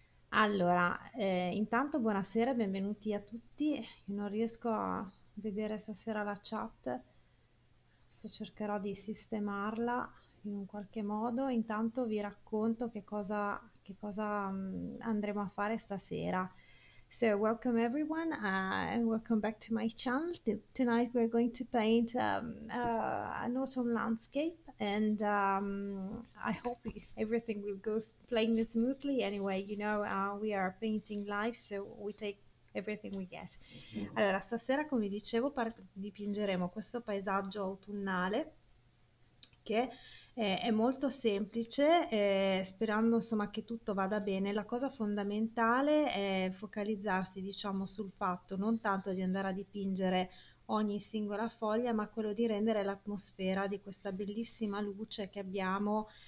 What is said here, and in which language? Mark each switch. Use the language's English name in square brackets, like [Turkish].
[Italian] Allora, intanto buonasera, benvenuti a tutti. Io non riesco a vedere stasera la chat, cercherò di sistemarla in un qualche modo. Intanto vi racconto che cosa andremo a fare stasera. [English] So welcome everyone, and welcome back to my channel. Tonight we're going to paint an autumn landscape, and I hope everything will go plainly smoothly. Anyway, you know, we are painting live, so we take everything we get. [Italian] Allora, stasera, come dicevo, dipingeremo questo paesaggio autunnale che è molto semplice, sperando insomma che tutto vada bene. La cosa fondamentale è focalizzarsi, diciamo, sul fatto non tanto di andare a dipingere ogni singola foglia, ma quello di rendere l'atmosfera di questa bellissima luce che abbiamo